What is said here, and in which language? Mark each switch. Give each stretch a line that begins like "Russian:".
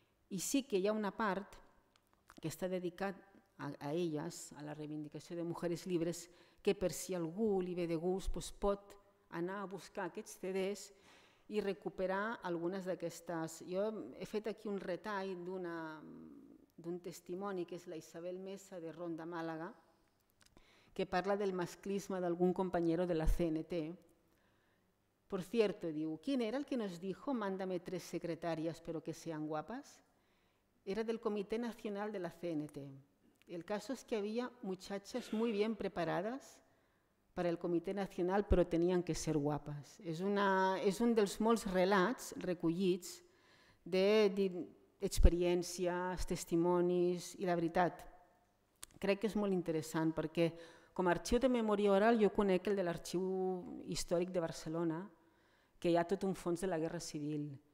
Catalan: I sí que hi ha una part que està dedicada a elles, a la reivindicació de Mujeres Libres, que per si algú li ve de gust doncs pot anar a buscar aquests CDs i recuperar algunes d'aquestes. Jo he fet aquí un retall d'un testimoni que és la Isabel Mesa de Ronda Màlaga, que parla del masclisme d'algun companyero de la CNT.
Spanish: Por cierto, diu, ¿quién era el que nos dijo mándame tres secretarias pero que sean guapas? Era del Comité Nacional de la CNT. El caso es que había muchachas muy bien preparadas para el Comité Nacional, pero tenían que ser guapas.
Catalan: És un dels molts relats recollits d'experiències, testimonis, i la veritat, crec que és molt interessant, perquè com a arxiu de memòria oral jo conec el de l'Arxiu Històric de Barcelona, que hi ha tot un fons de la Guerra Civil.